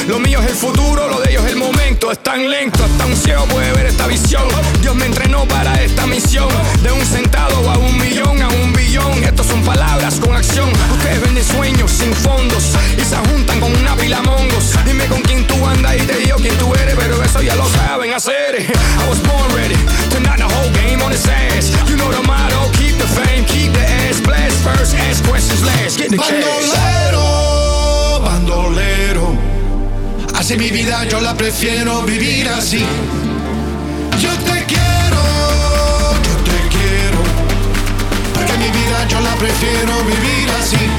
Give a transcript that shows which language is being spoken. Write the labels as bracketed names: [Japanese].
[Spanish] Lo mío es el futuro, lo de ellos es el momento. Es tan lento, hasta un ciego puede ver esta visión. Dios me entrenó para esta misión. De un centavo a un millón, a un billón. Estos son palabras con acción. Ustedes venden sueños sin fondos y se juntan con una pila mongos. Dime con quién tú andas y te digo quién tú eres. Pero eso ya lo saben hacer. [English] I was born ready, turn out the whole game on his ass. You know the motto, keep the fame, keep the ass. Bless first, ask questions last, get the cash. [Spanish] Bandolero, bandolero, así mi vida yo la prefiero vivir así. Yo te quiero, porque mi vida yo la prefiero vivir así.